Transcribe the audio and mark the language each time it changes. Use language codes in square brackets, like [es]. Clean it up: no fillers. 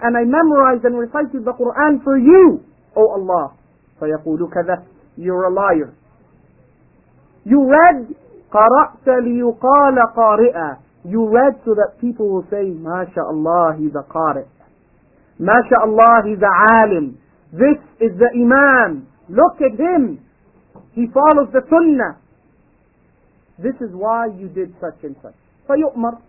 [en] And I memorized and recited the Qur'an for you, O Allah. [ar] فَيَقُولُ كَذَبْتُ. [en] You're a liar. You read, [ar] قَرَأْتَ لِيُقَالَ قَارِئًا. [en] You read so that people will say, MashaAllah, he's a qari'. MashaAllah, he's a alim. This is the imam. Look at him. He follows the sunnah. This is why you did such and such. [ar] فَيُؤْمَرْ.